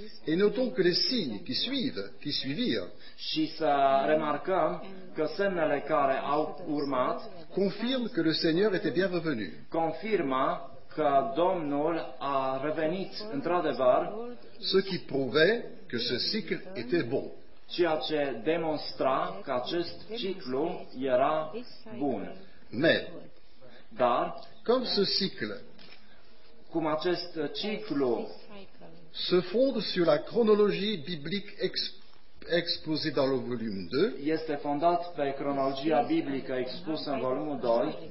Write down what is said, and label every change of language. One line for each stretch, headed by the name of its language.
French: Et notons que les signes qui suivirent,
Romanian: și să remarcăm că semnele care au urmat
French: confirme que le Seigneur était bien revenu.
Romanian: Confirmă că Domnul a revenit într-adevăr,
French: ce qui prouvait que ce cycle était bon.
Romanian: Ceea ce demonstra că acest ciclu era bun.
French: Mais,
Romanian: dar,
French: comme ce cycle,
Romanian: cum acest ciclu
French: se fonde sur la chronologie biblique exposée dans le volume 2,
Romanian: este fondat pe cronologia biblică expusă în volumul 2,